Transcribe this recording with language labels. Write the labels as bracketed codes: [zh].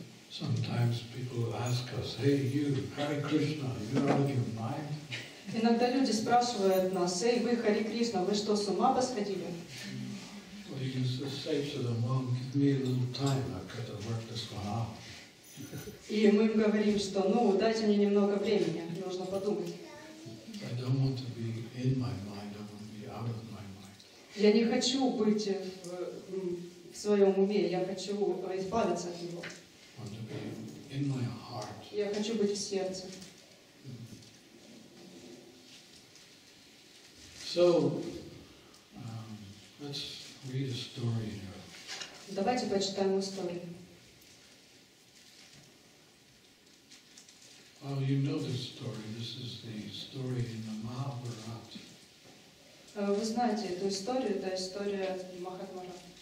[en] Sometimes people ask us, "Hey, you, Hare Krishna, you out of your mind?" [ru] Иногда люди спрашивают нас, "Эй, вы Хари Кришна, вы что с ума посходили?" [en] Well, you can say to them, "Well, give me a little time. I've got to work this one out." [ru] И мы им говорим, что, ну, дайте мне немного времени, нужно подумать. [en] I don't want to be in my mind. I want to be out of my mind. [ru] Я не хочу быть в своем уме. Я хочу избавиться от него. [en] In my heart, [ru] Я хочу быть в сердце. [en] So, let's read a story now. [ru] Давайте почитаем историю. [en] Well, you know this story. This is the story in the Mahabharata. [ru] Вы знаете эту историю, это история Махабхарата.